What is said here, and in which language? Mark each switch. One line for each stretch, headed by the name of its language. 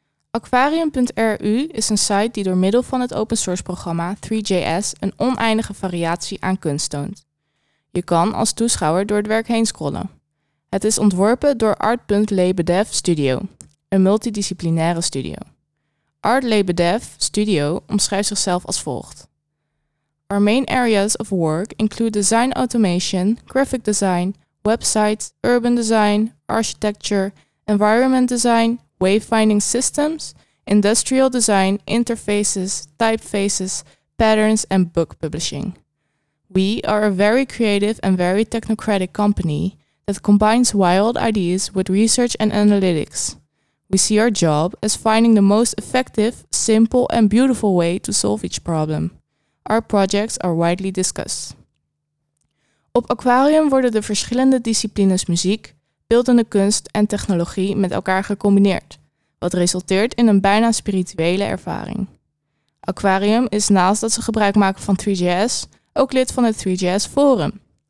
Dutch: Aquarium.ru is een site die door middel van het open source programma 3JS een oneindige variatie aan kunst toont. Je kan als toeschouwer door het werk heen scrollen. Het is ontworpen door Art. Lebedev Studio, een multidisciplinaire studio. Art Lebedev Studio omschrijft zichzelf als volgt.
English: Our main areas of work include design automation, graphic design, websites, urban design, architecture, environment design, wayfinding systems, industrial design, interfaces, typefaces, patterns and book publishing. We are a very creative and very technocratic company that combines wild ideas with research and analytics. We see our job as finding the most effective, simple and beautiful way to solve each problem. Our projects are widely discussed.
Dutch: Op Aquarium worden de verschillende disciplines muziek, beeldende kunst en technologie met elkaar gecombineerd, wat resulteert in een bijna spirituele ervaring. Aquarium is naast dat ze gebruik maken van 3JS ook lid van het 3JS Forum.